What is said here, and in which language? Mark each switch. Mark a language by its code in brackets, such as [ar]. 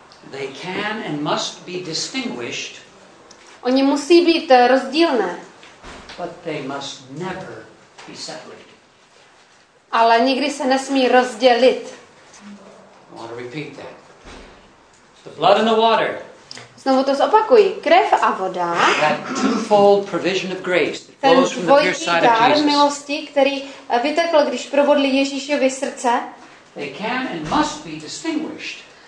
[en] They can and must be distinguished. [cs] Oni musí být rozdílné. [en] But they must never be separated. [cs] Ale nikdy se nesmí rozdělit. [en] I want to repeat that. The blood and the water. [cs] Znovu to zopakuji. Krev a voda. [en] That twofold provision of grace that flows from the pure side of Jesus. [cs] Milosti, který vytekl, když probodli Ježíšovi srdce. [en] They can and must be distinguished.